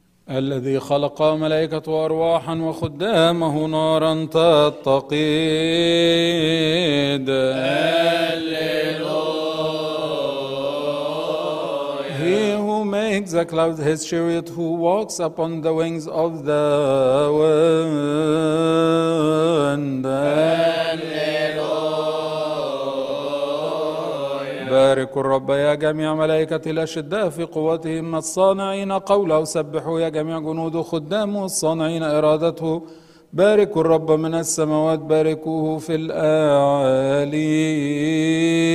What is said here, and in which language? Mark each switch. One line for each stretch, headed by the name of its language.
Arabic: الذي خلق ملائكة وأرواحا وخدامه نارا تتقيد.
English: Alleluia. He who makes a cloud his chariot, who walks upon the wings of the wind.
Arabic: باركوا الرب يا جميع ملائكة الأشداء في قوتهم الصانعين قوله، سبحوا يا جميع جنود خدامه الصانعين إرادته، باركوا الرب من السماوات باركوه في الأعالي.